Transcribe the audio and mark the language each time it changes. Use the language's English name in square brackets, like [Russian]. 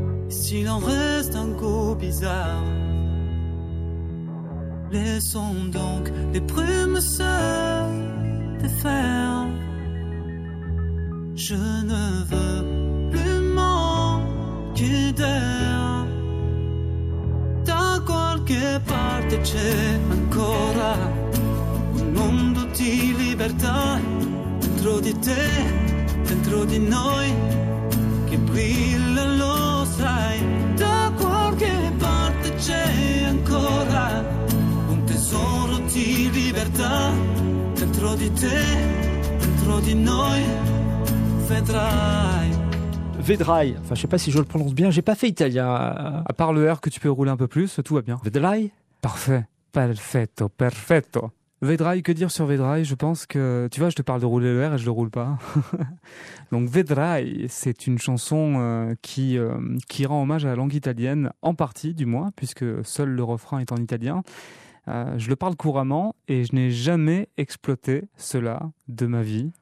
[French] S'il en reste un goût bizarre, laissons donc les brumes se défaire. Je ne veux plus manquer d'air. [Italian] Da qualche parte c'è ancora un mondo di libertà dentro di te, dentro di noi, che brilla, lo sai. Da qualche parte c'è ancora un tesoro di libertà dentro di te, dentro di noi. [French] Vedrai, enfin je sais pas si je le prononce bien, j'ai pas fait italien. À part le R que tu peux rouler un peu plus, tout va bien. Vedrai? Parfait, [Italian] perfetto, perfetto. [French] Vedrai, que dire sur Vedrai? Je pense que, tu vois, je te parle de rouler le R et je le roule pas. Donc Vedrai, c'est une chanson qui rend hommage à la langue italienne, en partie du moins, puisque seul le refrain est en italien. Je le parle couramment et je n'ai jamais exploité cela de ma vie.